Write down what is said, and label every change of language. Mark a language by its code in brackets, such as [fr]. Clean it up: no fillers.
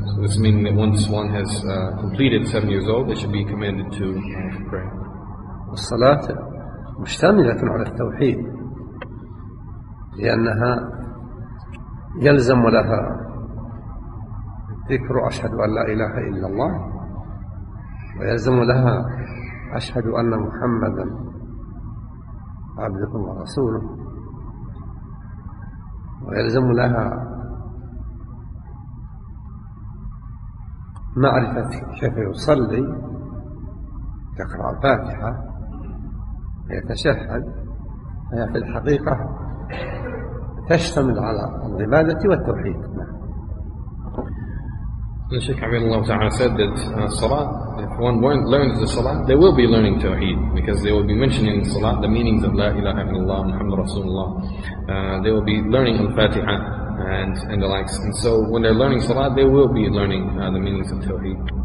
[en] So this means that once one has completed 7 years old, they should be commanded to pray. [ar] الصلاة مشتملة على التوحيد لأنها يلزم لها ذكر أشهد أن لا إله إلا الله، ويلزم لها أشهد أن محمدا عبده ورسوله، ويلزم لها معرفة كيف يصلي، يقرأ الفاتحة، يتشهد، هي في الحقيقة تشتمل على العبادة والتوحيد. [en] الشيخ عبد الله تعالى said that Salah, if one learns the Salah, they will be learning Tawheed, because they will be mentioning in Salah the meanings of La ilaha illallah, Muhammad Rasulullah. They will be learning Al-Fatiha and the likes. And so when they're learning Salah, they will be learning the meanings of Tawheed.